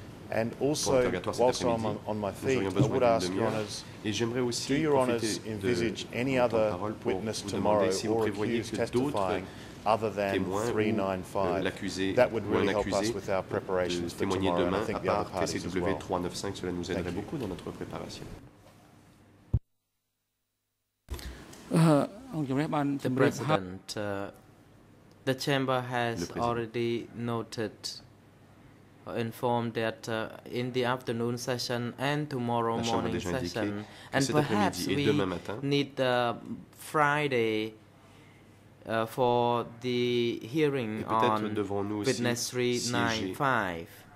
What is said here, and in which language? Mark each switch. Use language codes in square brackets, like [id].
[en] And also, whilst I'm on my feet, I would ask Your Honours, do Your Honours envisage any other witness tomorrow [fr] si [en] or accused testifying other than 395? That would really help us with our preparations for tomorrow, and I think the other parties as well. [fr] TCW 395, cela nous aiderait beaucoup dans notre préparation. [en] The President, the Chamber has already noted, informed that in the afternoon session and tomorrow morning session, and perhaps we need Friday for the hearing on witness 395.